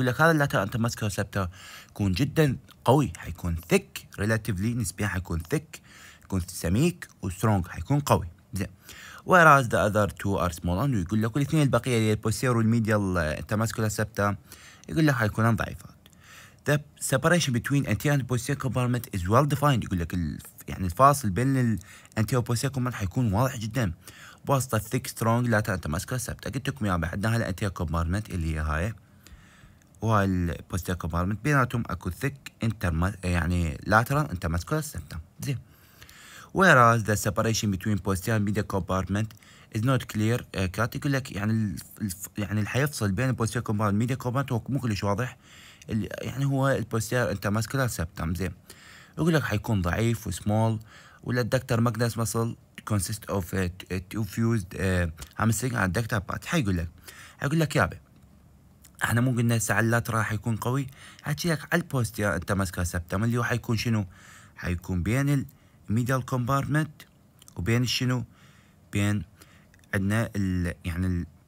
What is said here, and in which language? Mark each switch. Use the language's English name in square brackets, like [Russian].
[Arabic] يقول لك هذا اللاترال انت ماسكولار سبتم يكون جدا قوي، حيكون ثيك ريلاتيفلي، نسبيا حيكون ثيك، يكون سميك وسترونج، حيكون قوي. زين، [English] whereas the other two are small and [Arabic] يقول لك الاثنين البقية اللي البوستيرور والميديال انترماسكولار سبتا يقول لك هيكونان ضعيفات. [English] The separation between anterior and posterior compartment is well defined، [Arabic] يقول لك يعني الفاصل بين الانتيرو والبوستيرو كومبارتمنت حيكون واضح جدا بواسطة [English] thick strong lateral intermuscular septa. [Arabic] قلت لكم يا بعد عندنا هاي الانتيرو كومبارتمنت اللي هي هاي وهاي البوستيرو كومبارتمنت، بيناتهم اكو thick يعني lateral intermuscular سبتا. [English] زين، whereas the separation between posterior and medial compartment is not clear cut، [Arabic] يقول لك يعني اللي حيفصل بين [English] posterior compartment and medial compartment [Arabic] هو مو كلش واضح، يعني هو [English] posterior intermuscular septum. [Arabic] زين، يقول لك حيكون ضعيف وسمول، ولا الدكتور ماجنس مسل [English] consist of two fused hamstring and adductor part. [Arabic] حيقول لك يابا احنا مو قلنا هسه على اللاترال حيكون قوي، حكي لك على posterior intermuscular septum اللي هو حيكون شنو؟ حيكون بين ميديال كومبارتمنت وبين شنو؟ بين عندنا يعني